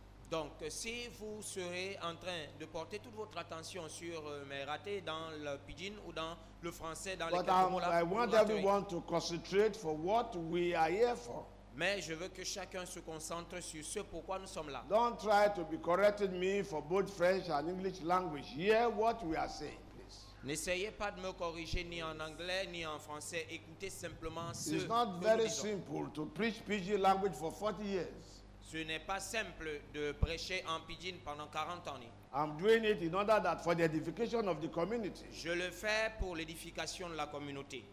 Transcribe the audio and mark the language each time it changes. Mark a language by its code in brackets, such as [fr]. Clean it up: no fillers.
[fr] Donc, si vous serez en train de porter toute votre attention sur mes ratés dans le Pidgin ou dans le français, dans [en] but [fr] les quelques mots là, [en] I want everyone to concentrate for what we are here for. [fr] Mais je veux que chacun se concentre sur ce pourquoi nous sommes là. [en] Don't try to be correcting me for both French and English language. Hear what we are saying. [fr] N'essayez pas de me corriger ni en anglais ni en français. Écoutez simplement ce que nous disons. [en] It's not very simple to preach Pidgin language for 40 years. [fr] Ce n'est pas simple de prêcher en Pidgin pendant 40 ans. [en] I'm doing it in order that for the edification of the community. [fr] Je le fais pour l'édification de la communauté.